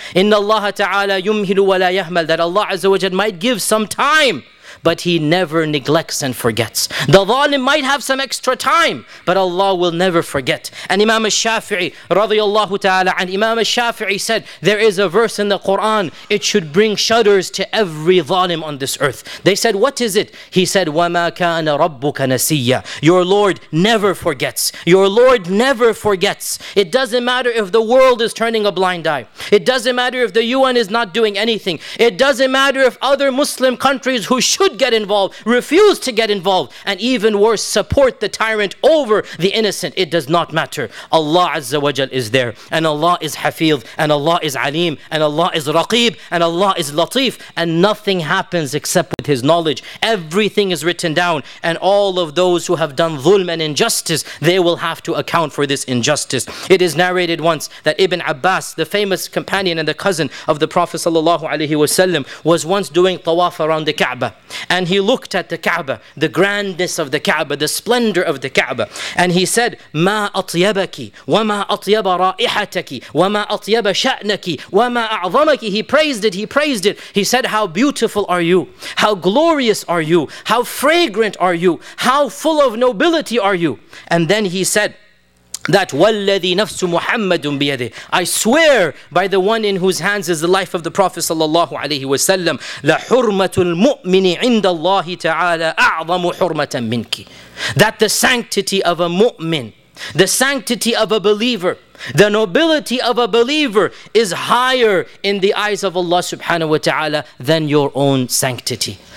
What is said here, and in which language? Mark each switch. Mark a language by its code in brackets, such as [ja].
[ar] Inna Allah ta'ala yumhilu wa la yahmal, [en] that Allah azza wa jal might give some time, but He never neglects and forgets. The zalim might have some extra time, but Allah will never forget. And Imam al-Shafi'i, radiyallahu ta'ala, and Imam al-Shafi'i said, there is a verse in the Quran, it should bring shudders to every zalim on this earth. They said, what is it? He said, [ar] وَمَا كَانَ رَبُّكَ نَسِيَّ. [en] Your Lord never forgets. Your Lord never forgets. It doesn't matter if the world is turning a blind eye. It doesn't matter if the UN is not doing anything. It doesn't matter if other Muslim countries who should get involved, refuse to get involved, and even worse, support the tyrant over the innocent. It does not matter. Allah Azza wa Jal is there, and Allah is Hafidh, and Allah is Alim, and Allah is Raqib, and Allah is Latif, and nothing happens except with His knowledge. Everything is written down, and all of those who have done dhulm and injustice, they will have to account for this injustice. It is narrated once that Ibn Abbas, the famous companion and the cousin of the Prophet sallallahu alaihi wasallam, was once doing tawaf around the Kaaba. And he looked at the Kaaba, the grandness of the Kaaba, the splendor of the Kaaba. And he said, [ar] مَا أَطْيَبَكِ وَمَا أَطْيَبَ رَائِحَتَكِ وَمَا أَطْيَبَ شَأْنَكِ وَمَا أَعْظَمَكِ. [en] He praised it. He said, how beautiful are you? How glorious are you? How fragrant are you? How full of nobility are you? And then he said, that [ar] وَالَّذِي نَفْسُ مُحَمَّدٌ بِيَدِهِ, [en] I swear by the one in whose hands is the life of the Prophet sallallahu alaihi wasallam, [ar] لَحُرْمَةُ الْمُؤْمِنِ عِنْدَ اللَّهِ تَعَالَى أَعْظَمُ حُرْمَةً مِنْكِ, [en] that the sanctity of a mu'min, the sanctity of a believer, the nobility of a believer is higher in the eyes of Allah subhanahu wa ta'ala than your own sanctity.